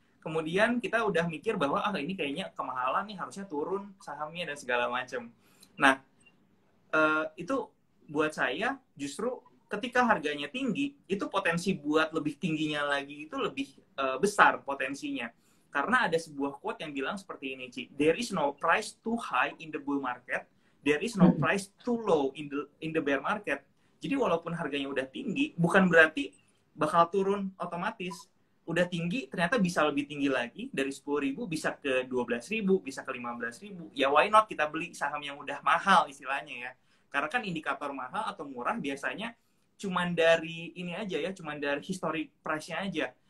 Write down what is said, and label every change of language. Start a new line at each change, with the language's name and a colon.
Indonesian: Kemudian kita udah mikir bahwa ah ini kayaknya kemahalan nih, harusnya turun sahamnya dan segala macam. Nah, itu buat saya justru ketika harganya tinggi, itu potensi buat lebih tingginya lagi itu lebih besar potensinya. Karena ada sebuah quote yang bilang seperti ini, Ci.
English: There is no price too high in the bull market. There is no price too low in the bear market.
Indonesian: Jadi walaupun harganya udah tinggi, bukan berarti bakal turun otomatis. Udah tinggi, ternyata bisa lebih tinggi lagi. Dari 10.000 bisa ke 12.000, bisa ke 15.000. Ya
English: why not
Indonesian: kita beli saham yang udah mahal istilahnya ya. Karena kan indikator mahal atau murah biasanya cuman dari ini aja ya, cuman dari historic price-nya aja.